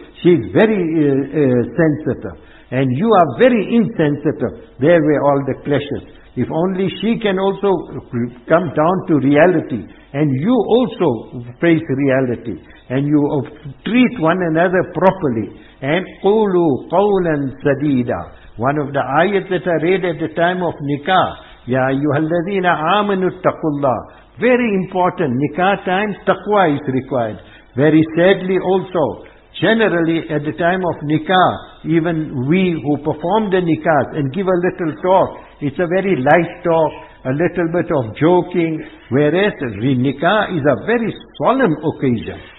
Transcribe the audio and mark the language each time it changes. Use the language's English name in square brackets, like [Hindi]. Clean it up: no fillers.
[English] She's very sensitive. And you are very insensitive. There were all the clashes. If only she can also come down to reality. And you also face reality. And you treat one another properly. [Arabic] And قُولُوا قَوْلًا سَدِيدًا. [English] One of the ayats that I read at the time of nikah. [Arabic] يَا أَيُّهَا الَّذِينَ آمَنُوا اتَّقُوا اللَّهِ. [English] Very important. Nikah time, taqwa is required. Very sadly also, generally at the time of nikah, even we who perform the nikahs and give a little talk, it's a very light talk, a little bit of joking, whereas nikah is a very solemn occasion.